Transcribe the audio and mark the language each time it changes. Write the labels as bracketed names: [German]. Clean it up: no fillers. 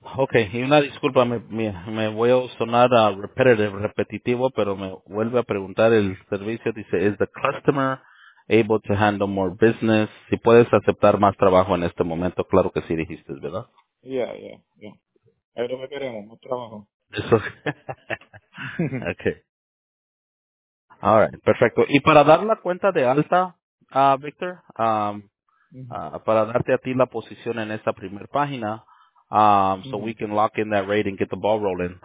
[Spanish] Okay, y una disculpa, me voy a sonar repetitivo, pero me vuelve a preguntar el servicio. [English] Dice, is the customer able to handle more business? [Spanish] Si puedes aceptar más trabajo en este momento, claro que sí dijiste, ¿verdad? Yeah. Es lo que queremos, más trabajo. [English] Eso. Okay. All right, perfecto. [Spanish] Y para dar la cuenta de alta, Victor, para darte a ti la posición en esta primera página, [English] so we can lock in that rate and get the ball rolling.